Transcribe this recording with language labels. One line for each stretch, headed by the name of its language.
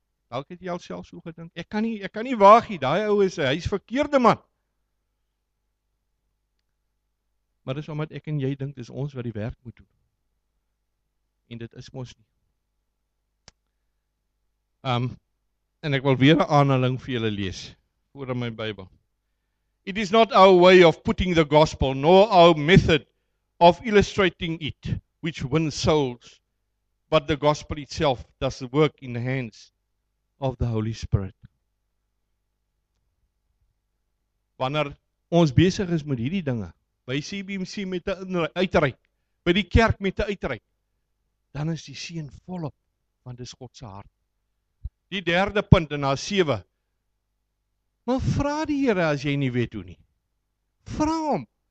Afrikaans: Dalk het jy alself so gedink. Ek kan nie waag nie. Daai ou is 'n hy's verkeerde man. Maar dis omdat ek en jy dink dis ons wat die werk moet doen. En dit is mos nie. En ek wil weer 'n aanhaling vir julle lees oor my Bybel.
English: It is not our way of putting the gospel, nor our method of illustrating it, which wins souls, but the gospel itself does the work in the hands of the Holy Spirit.
Afrikaans: Wanneer ons besig is met hierdie dinge, by CBMC met 'n uitreik, by die kerk met 'n uitreik, dan is die seën volop, want dis God se hart. Die derde punt in haar 7, maar vra die Here as jy nie weet hoe nie. Vra hom.